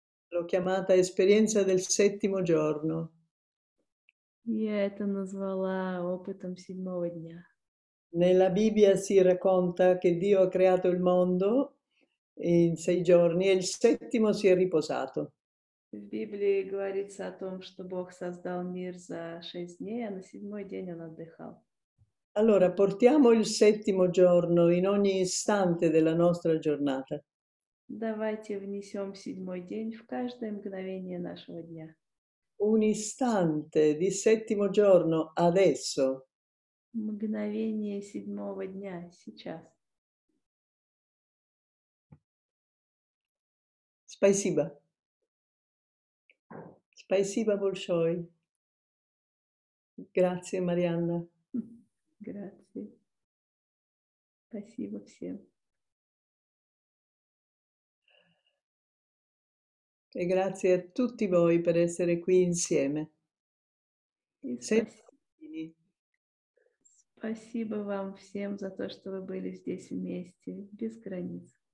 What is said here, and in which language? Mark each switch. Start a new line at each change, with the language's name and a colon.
Italian: L'ho chiamata esperienza del settimo giorno.
Russian: Я это назвала опытом седьмого дня.
Italian: Nella Bibbia si racconta che Dio ha creato il mondo in 6 giorni e il settimo si è riposato.
Russian: В Библии говорится о том, что Бог создал мир за 6 дней, а на седьмой день он отдыхал.
Italian: Allora, portiamo il settimo giorno in ogni istante della nostra giornata.
Russian: Давайте внесем седьмой день в каждое мгновение нашего дня.
Italian: Un istante di settimo giorno adesso.
Russian: Мгновение седьмого дня сейчас. Спасибо. Спасибо большое.
Italian: Grazie, Марианна. Grazie.
Russian: Спасибо всем.
Italian: E grazie a tutti voi per essere qui insieme.
Russian: Спасибо. Спасибо вам всем за то, что вы были здесь вместе, без границ.